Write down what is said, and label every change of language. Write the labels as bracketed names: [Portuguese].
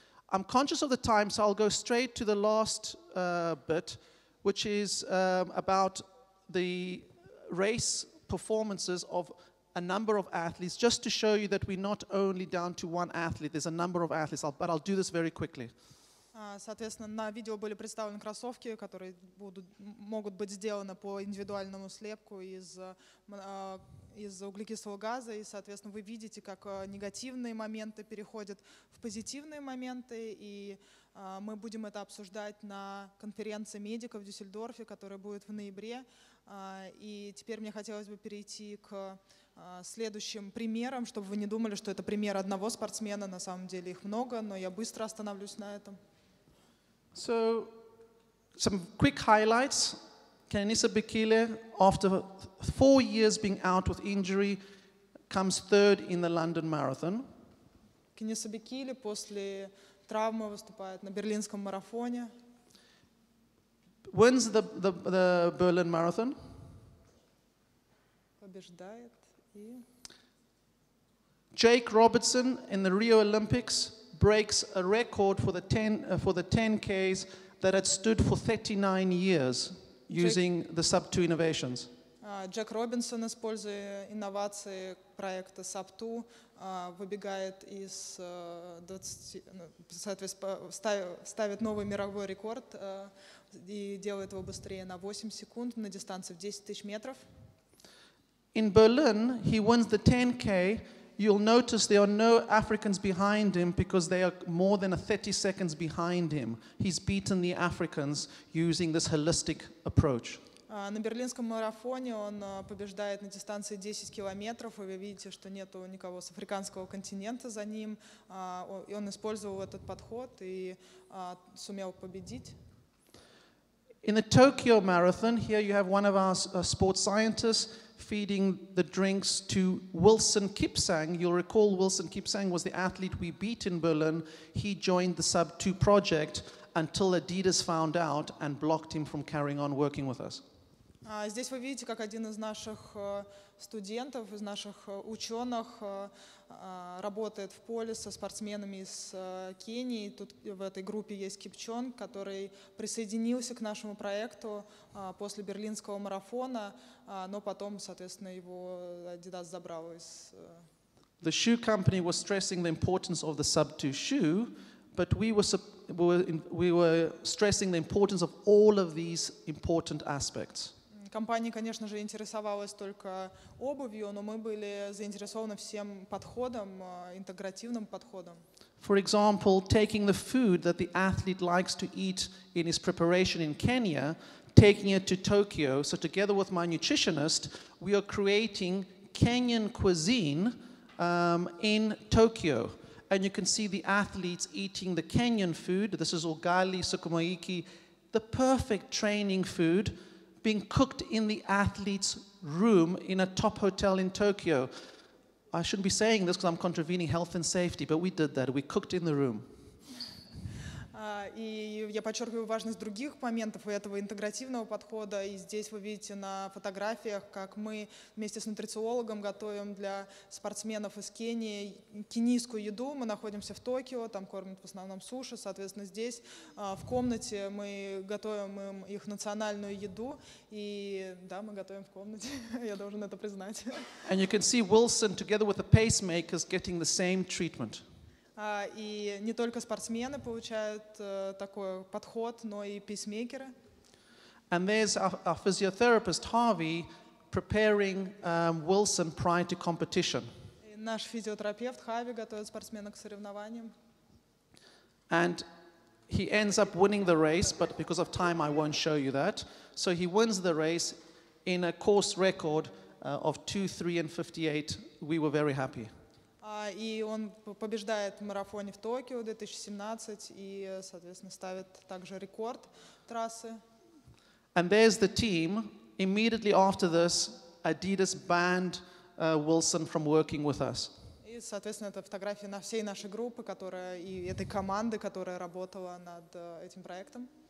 [English] I'm conscious of the time, so I'll go straight to the last bit, which is about the race performances of a number of athletes, just to show you that we're not only down to one athlete, there's a number of athletes, but I'll do this very quickly. [Russian] Соответственно, на видео были представлены кроссовки, которые могут быть сделаны по индивидуальному слепку из углекислого газа, и, соответственно, вы видите, как негативные моменты переходят в позитивные моменты, и мы будем это обсуждать на конференции медиков в Дюссельдорфе, которая будет в ноябре. И теперь мне хотелось бы перейти к следующим примерам, чтобы вы не думали, что это пример одного спортсмена. На самом деле их много, но я быстро остановлюсь на этом. [English] So, some quick highlights. Kenenisa Bekele, after 4 years being out with injury, comes third in the London Marathon. [Russian] Кенениса Бекеле после травмы выступает на берлинском марафоне. [English] Wins the Berlin Marathon. [Russian] Побеждает. И... [English] Jake Robertson in the Rio Olympics breaks a record for the 10 for the 10Ks that had stood for 39 years using the sub-2 innovations. [Russian] Джек Робинсон, используя инновации проекта sub-2, выбегает из 20, соответственно, ставит новый мировой рекорд и делает его быстрее на 8 секунд на дистанции в 10 тысяч метров. [English] In Berlin, he wins the 10K. You'll notice there are no Africans behind him because they are more than 30 seconds behind him. He's beaten the Africans using this holistic approach. [Russian] На берлинском марафоне он побеждает на дистанции 10 километров, и вы видите, что нет никого с африканского континента за ним. И он использовал этот подход и сумел победить. [English] In the Tokyo Marathon, here you have one of our sports scientists feeding the drinks to Wilson Kipsang. You'll recall Wilson Kipsang was the athlete we beat in Berlin. He joined the sub-2 project until Adidas found out and blocked him from carrying on working with us. [Russian] Здесь вы видите, как один из наших студентов, из наших ученых работает в поле со спортсменами из Кении. Тут в этой группе есть Кипчон, который присоединился к нашему проекту после берлинского марафона, но потом, соответственно, его Adidas забрал из... [English] The shoe company was stressing the importance of the sub-2 shoe, but we were stressing the importance of all of these important aspects. [Russian] Компания, конечно же, интересовалась только обувью, но мы были заинтересованы всем подходом, интегративным подходом. [English] For example, taking the food that the athlete likes to eat in his preparation in Kenya, taking it to Tokyo. So together with my nutritionist, we are creating Kenyan cuisine in Tokyo. And you can see the athletes eating the Kenyan food. This is ugali, sukumaiki, the perfect training food, being cooked in the athlete's room in a top hotel in Tokyo. I shouldn't be saying this because I'm contravening health and safety, but we did that. We cooked in the room. [Russian] И я подчеркиваю важность других моментов и этого интегративного подхода. И здесь вы видите на фотографиях, как мы вместе с нутрициологом готовим для спортсменов из Кении кенийскую еду. Мы находимся в Токио, там кормят в основном суши. Соответственно, здесь в комнате мы готовим им их национальную еду. И да, мы готовим в комнате. Я должен это признать. [English] And you can see Wilson together with the pacemakers getting the same treatment. [Russian] И не только спортсмены получают такой подход, но и пейсмейкеры. [English] And there's our physiotherapist Harvey preparing Wilson prior to competition. [Russian] И наш физиотерапевт Хави готовит спортсмена к соревнованиям. [English] And He ends up winning the race, but because of time, I won't show you that. So he wins the race in a course record of 2:03:58. We were very happy. [Russian] И он побеждает в марафоне в Токио 2017 и, соответственно, ставит также рекорд трассы. [English] And there's the team. Immediately after this, Adidas banned Wilson from working with us. [Russian] И, соответственно, это фотография на всей нашей группы, которая и этой команды, которая работала над этим проектом.